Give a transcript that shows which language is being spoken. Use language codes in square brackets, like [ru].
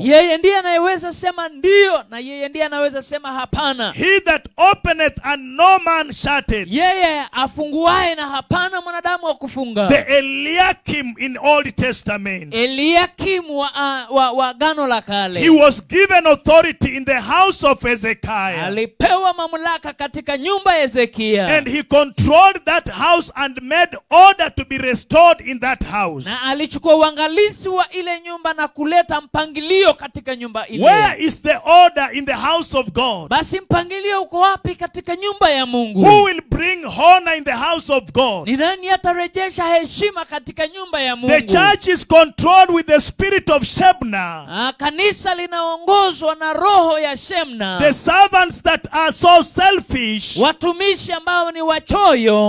[sw] Yeye ndiye anayeweza sema ndio na yeye ndiye anaweza sema hapana. [en] He that openeth and no man shutteth. [sw] Yeye afunguae na hapana mwanadamu wa kufunga. [en] The Eliakim in Old Testament. [sw] Eliakim wa Agano la Kale. [en] He was given authority in the house of Hezekiah. [sw] Alipewa mamlaka katika nyumba ya Hezekia. [en] And he controlled that house and made order to be restored in that house. [sw] Na alichukua uangalizi wa ile nyumba na kuleta mpangilio katika nyumba ile. [en] Where is the order in the house of God? [sw] Basi mpangilio uko wapi katika nyumba ya Mungu? [en] Who will bring honor in the house of God? [sw] Ni nani atarejesha heshima katika nyumba ya Mungu? [en] The church is controlled with the spirit of Shebna. [sw] Kanisa linaongozwa na roho ya Shebna. [en] The servants that are so selfish. [sw] Watumishi ambao ni wachoyo.